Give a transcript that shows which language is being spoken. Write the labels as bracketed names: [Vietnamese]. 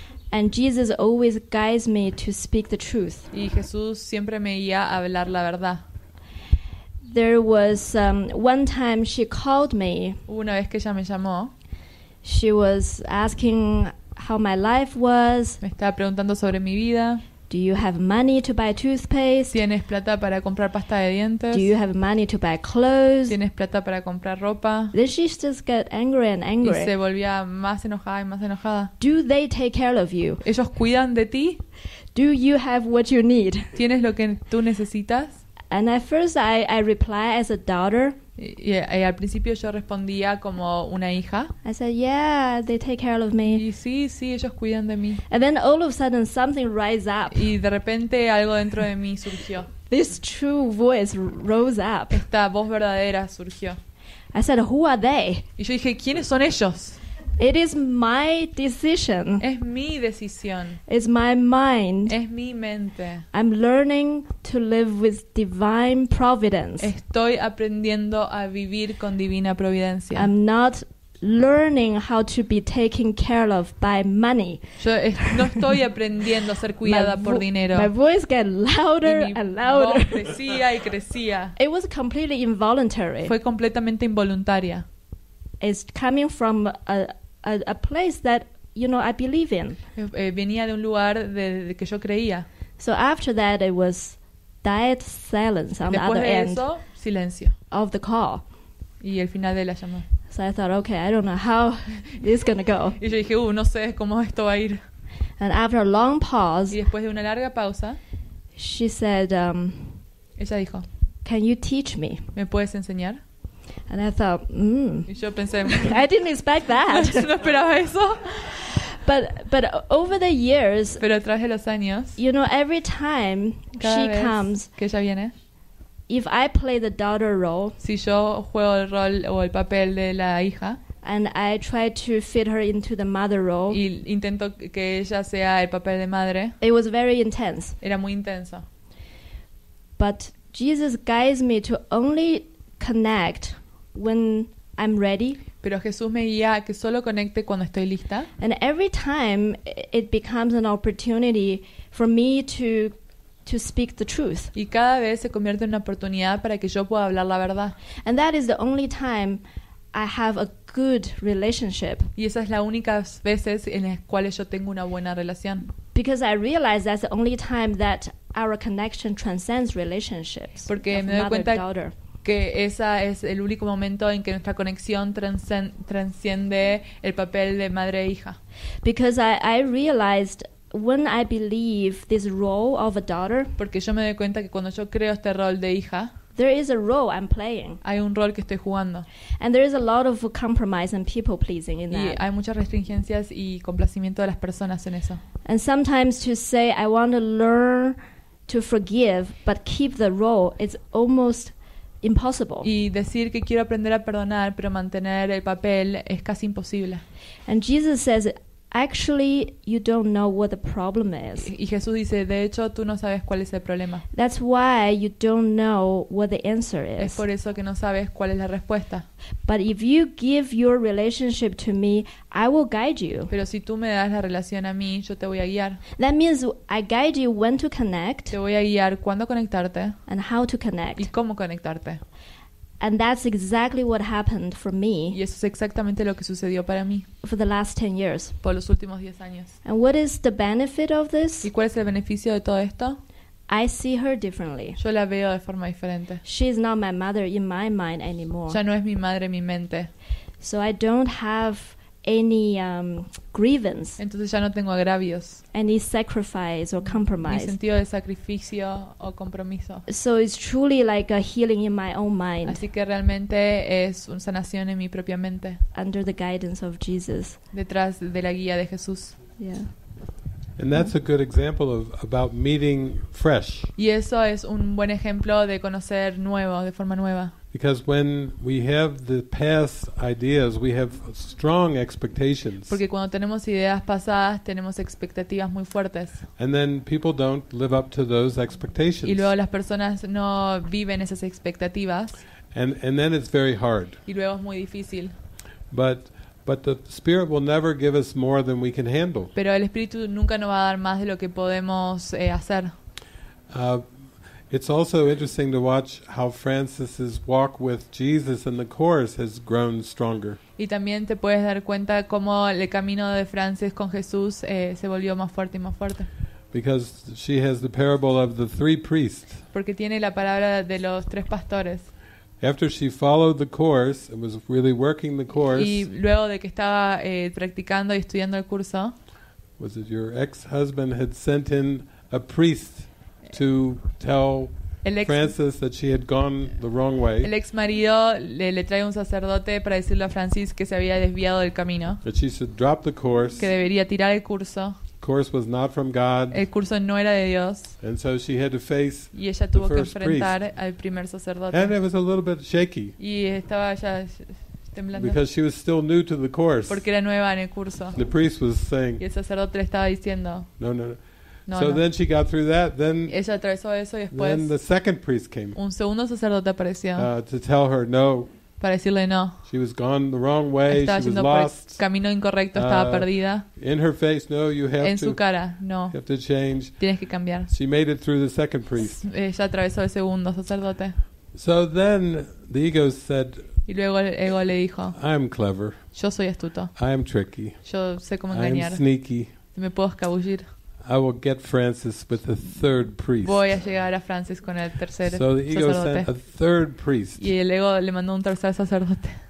[English] And Jesus always guides me to speak the truth. [Spanish] Y Jesús siempre me guía a hablar la verdad. [English] There was one time she called me. [Spanish] Una vez que ella me llamó. [English] She was asking how my life was. [Spanish] Me estaba preguntando sobre mi vida. [English] Do you have money to buy toothpaste? [Spanish] ¿Tienes plata para comprar pasta de dientes? [English] Do you have money to buy clothes? [Spanish] ¿Tienes plata para comprar ropa? [English] Then she just got angry and angry. [Spanish] Y se volvía más enojada y más enojada. [English] Do they take care of you? [Spanish] ¿Ellos cuidan de ti? [English] Do you have what you need? [Spanish] ¿Tienes lo que tú necesitas? [English] And at first I replied as a daughter. [Spanish] Y al principio yo respondía como una hija. [English] I said, yeah, they take care of me. [Spanish] Y sí, ellos cuidan de mí. [English] And then all of a sudden something rise up. [Spanish] Y de repente algo dentro de mí surgió. [English] This true voice rose up. [Spanish] Esta voz verdadera surgió. [English] I said, who are they? [Spanish] Y yo dije, ¿quiénes son ellos? [English] It is my decision. [Spanish] Es mi decisión. [English] It's my mind. [Spanish] Es mi mente. [English] I'm learning to live with divine providence. [Spanish] Estoy aprendiendo a vivir con divina providencia. [English] I'm not learning how to be taken care of by money. [Spanish] Yo no estoy aprendiendo a ser cuidada por dinero. [English] My voice got louder and louder. [Spanish] Mi voz crecía y crecía. [English] It was completely involuntary. [Spanish] Fue completamente involuntaria. [English] It's coming from a place that, you know, I believe in. [Spanish] Venía de un lugar de que yo creía. [English] So after that, it was dead silence on [Spanish] después [English] the other [Spanish] de eso, [English] end [Spanish] silencio. [English] Of the call. [Spanish] Y el final de la llamada. [English] So I thought, okay, I don't know how this is going to go. [Spanish] Y yo dije, no sé cómo esto va a ir. [English] And after a long pause, [Spanish] y después de una larga pausa, [English] she said, [Spanish] ella dijo, [English] can you teach me? [Spanish] ¿Me puedes enseñar? [English] And I thought, [Spanish] y yo pensé, [English] I didn't expect that. [Spanish] No esperaba eso. [English] But over the years, [Spanish] pero a través de los años, [English] you know, every time [Spanish] cada [English] she [Spanish] vez [English] comes, [Spanish] que ella viene, [English] if I play the daughter role, [Spanish] si yo juego el rol o el papel de la hija, [English] and I try to fit her into the mother role, [Spanish] y intento que ella sea el papel de madre, [English] it was very intense. [Spanish] Era muy intenso. [English] But Jesus guides me to only connect when I'm ready. [Spanish] Pero Jesús me guía que solo conecte cuando estoy lista. [English] And every time it becomes an opportunity for me to speak the truth. [Spanish] Y cada vez se convierte en una oportunidad para que yo pueda hablar la verdad. [English] And that is the only time I have a good relationship. [Spanish] Y esa es la única veces en las cuales yo tengo una buena relación. [English] Because I realize that's the only time that our connection transcends relationships. [Spanish] Porque me doy cuenta que ese es el único momento en que nuestra conexión transciende el papel de madre e hija. [English] Because I realized when I believe this role of a daughter, [Spanish] porque yo me doy cuenta que cuando yo creo este rol de hija, [English] there is a role I'm playing. [Spanish] Hay un rol que estoy jugando. [English] And there is a lot of compromise and people pleasing in that. [Spanish] Y hay muchas restringencias y complacimiento de las personas en eso. [English] And sometimes to say I want to learn to forgive but keep the role, it's almost impossible. [Spanish] Y decir que quiero aprender a perdonar pero mantener el papel es casi imposible. [English] And Jesus says, actually, you don't know what the problem is. [Spanish] Y Jesús dice, de hecho, tú no sabes cuál es el problema. [English] That's why you don't know what the answer is. [Spanish] Es por eso que no sabes cuál es la respuesta. [English] But if you give your relationship to me, I will guide you. [Spanish] Pero si tú me das la relación a mí, yo te voy a guiar. [English] That means I guide you when to connect. [Spanish] Te voy a guiar cuándo conectarte. [English] And how to connect. [Spanish] Y cómo conectarte. [English] And that's exactly what happened for me. [Spanish] Y eso es exactamente lo que sucedió para mí. [English] For the last 10 years. [Spanish] Por los últimos 10 años. [English] And what is the benefit of this? [Spanish] ¿Y cuál es el beneficio de todo esto? [English] I see her differently. [Spanish] Yo la veo de forma diferente. [English] She is not my mother in my mind anymore. [Spanish] Ya no es mi madre en mi mente. [English] So I don't have any grievance. [Spanish] Entonces ya no tengo agravios. [English] Any sacrifice or compromise. [Spanish] Ni sentido de sacrificio o compromiso. [English] So it's truly like a healing in my own mind. [Spanish] Así que realmente es una sanación en mi propia mente. [English] Under the guidance of Jesus. [Spanish] Detrás de la guía de Jesús. [English] Yeah. And that's a good example of about meeting fresh. [Spanish] Y eso es un buen ejemplo de conocer nuevo, de forma nueva. [English] Because when we have the past ideas, we have strong expectations. [Spanish] Porque cuando tenemos ideas pasadas, tenemos expectativas muy fuertes. [English] And then people don't live up to those expectations. [Spanish] Y luego las personas no viven esas expectativas. [English] And then it's very hard. [Spanish] Y luego es muy difícil. [English] But the Spirit will never give us more than we can handle. [Spanish] Pero el Espíritu nunca nos va a dar más de lo que podemos hacer. [English] It's also interesting to watch how Francis's walk with Jesus in the course has grown stronger. [Spanish] Y también te puedes dar cuenta cómo el camino de Francis con Jesús se volvió más fuerte y más fuerte. [English] Because she has the parable of the three priests. [Spanish] Porque tiene la palabra de los tres pastores. [English] After she followed the course and was really working the course. [Spanish] Y luego de que estaba practicando y estudiando el curso. [English] Was it your ex-husband had sent in a priest? To tell Francis that she had gone the wrong way. [Spanish] El ex marido le trae un sacerdote para decirle a Francis que se había desviado del camino. [English] That she should drop the course. [Spanish] Que debería tirar el curso. [English] The course was not from God. [Spanish] El curso no era de Dios. [English] And so she had to face. [Spanish] Y ella tuvo que enfrentar al primer sacerdote. [English] And it was a little bit shaky. [Spanish] Y estaba ya temblando. [English] Because she was still new to the course. [Spanish] Porque era nueva en el curso. [English] The priest was saying. [Spanish] Y el sacerdote le estaba diciendo. [English] No. So then she got through that. Then, [Spanish] ella atravesó eso y después, [English] then the second priest came. [Spanish] Un segundo sacerdote apareció. [English] To tell her no. [Spanish] Para decirle no. [English] She was gone the wrong way. [Spanish] Estaba [English] she was lost. [Spanish] Camino incorrecto. Estaba perdida. [English] In her face, no. You have [Spanish] en [English] to. [Spanish] En su cara, no. [English] You have to change. [Spanish] Tienes que cambiar. [English] She made it through the second priest. [Spanish] Ella atravesó el segundo sacerdote. [English] So then the ego said. [Spanish] Y luego el ego le dijo. [English] I'm clever. [Spanish] Yo soy astuto. [English] I'm tricky. [Spanish] Yo sé cómo engañar. [English] I'm sneaky. [Spanish] Me puedo escabullir. [English] I will get Francis with the third priest. [Spanish] Voy a llegar a Francis con el tercer [English] sacerdote. So the ego sent a third priest. [Spanish] Y el ego le mandó un tercer sacerdote.